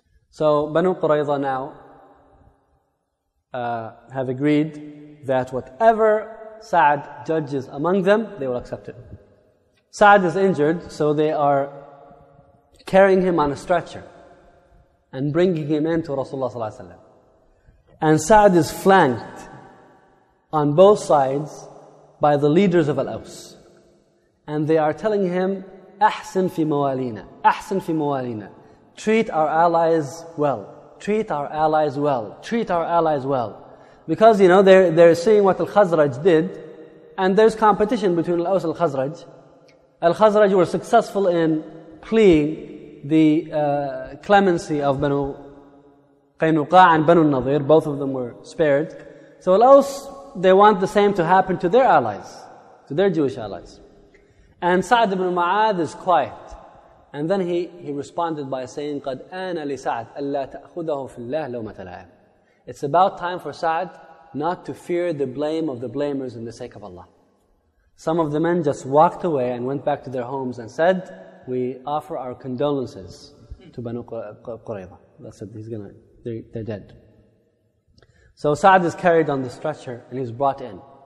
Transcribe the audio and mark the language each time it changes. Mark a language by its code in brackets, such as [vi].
[en] So Banu Qurayza now have agreed that whatever Sa'd judges among them, they will accept it. Sa'd is injured, so they are carrying him on a stretcher and bringing him into Rasulullah ﷺ. And Sa'd is flanked on both sides by the leaders of Al-Aws. And they are telling him, [ar] أحسن في موالينا, أحسن في موالينا. [en] Treat our allies well. Treat our allies well. Treat our allies well. Because, you know, they're seeing what Al-Khazraj did, and there's competition between Al-Aws and Al-Khazraj. Al-Khazraj were successful in pleading the clemency of Banu Qaynuqa and Banu Nadir. Both of them were spared. So Al-Aws, they want the same to happen to their allies, to their Jewish allies. And Sa'd ibn Mu'adh is quiet. And then he responded by saying, [ar] قَدْ آنَ لِسَعْدْ أَلَّا تَأْخُذَهُ فِي اللَّهِ لَوْمَةَ الْعَيْمِ. [en] It's about time for Sa'd not to fear the blame of the blamers in the sake of Allah. Some of the men just walked away and went back to their homes and said, we offer our condolences to Banu Qurayza. That's it, they're dead. So Sa'd is carried on the stretcher and he's brought in.